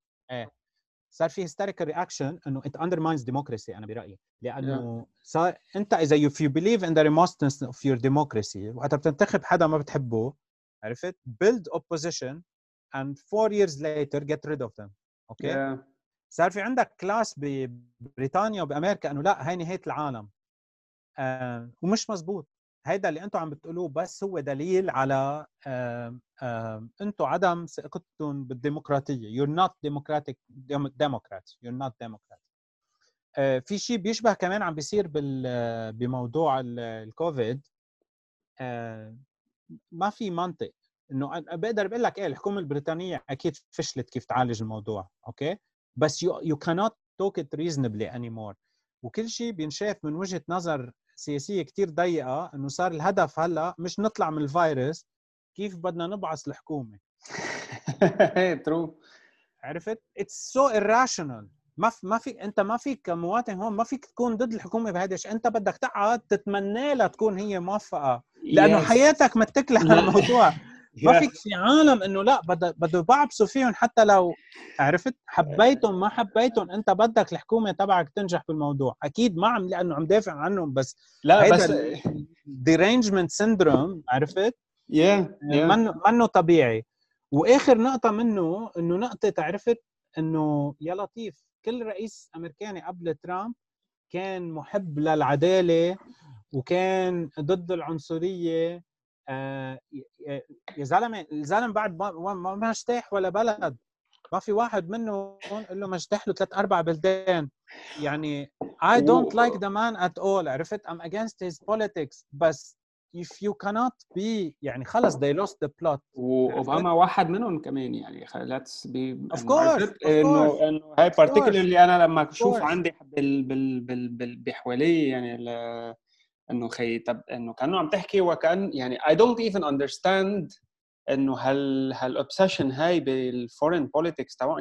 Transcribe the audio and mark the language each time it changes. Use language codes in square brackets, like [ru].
[ar] ايه, صار في [en] hysterical reaction انه it undermines democracy [ar] انا برأيي, لانه صار انت اذا [en] if you believe in the remoteness of your democracy [ar] وقت بتنتخب حدا ما بتحبه, عرفت, [en] build opposition and 4 years later get rid of them. okay, yeah. [ar] صار في عندك كلاس ببريطانيا وبأمريكا أنه لا, هاي نهاية العالم. ومش مزبوط. هيدا اللي أنتوا عم بتقولوه بس هو دليل على أنتوا عدم ثقتكم بالديمقراطية. [en] You're not democratic, democrat. You're not democrat. [ar] في شيء بيشبه كمان عم بيصير بموضوع الكوفيد. ما في منطق. أنه بقدر بقول لك إيه, الحكومة البريطانية أكيد فشلت كيف تعالج الموضوع. أوكي؟ بس [en] you cannot talk it reasonably anymore. [ar] وكل شيء بينشاف من وجهة نظر سياسية كتير ضيقة, انه صار الهدف هلا مش نطلع من الفيروس, كيف بدنا نبعث الحكومة. [en] true. [ar] عرفت؟ [en] it's so irrational. [ar] ما في انت ما فيك كمواطن هون ما فيك تكون ضد الحكومة بهذا, انت بدك تقعد تتمنى لها تكون هي موفقة لانه [en] yes. [ar] حياتك متكلة على الموضوع. ما فيك في عالم انه لا بده بعبسوا فيهم حتى لو عرفت حبيتهم ما حبيتهم, انت بدك الحكومه تبعك تنجح بالموضوع اكيد, ما عم لانه عم دافع عنهم بس لا بس [en] derangement syndrome. [ar] عرفت؟ [en] yeah. [ar] منه طبيعي. واخر نقطه منه انه نقطه عرفت انه يا لطيف كل رئيس امريكاني قبل ترامب كان محب للعداله وكان ضد العنصريه. يا زلمه الزلم بعد ما اجتاح ولا بلد ما في واحد منه هون له ما اجتاح له 3-4 بلدان. [en] يعني I don't like the man at all, عرفت, I'm against his politics, بس if you cannot be, [ar] يعني خلص [en] they lost the plot. [ar] وأوباما واحد منهم كمان, يعني [en] let's be of course. [ar] إنه هاي particularly أنا لما أشوف عندي بال بال بال بال بحوالي يعني إنه خي طب إنه كانوا عم تحكي وكان يعني [en] I don't even understand [ar] إنه هال obsession هاي بال [en] foreign politics [ar] تبعه.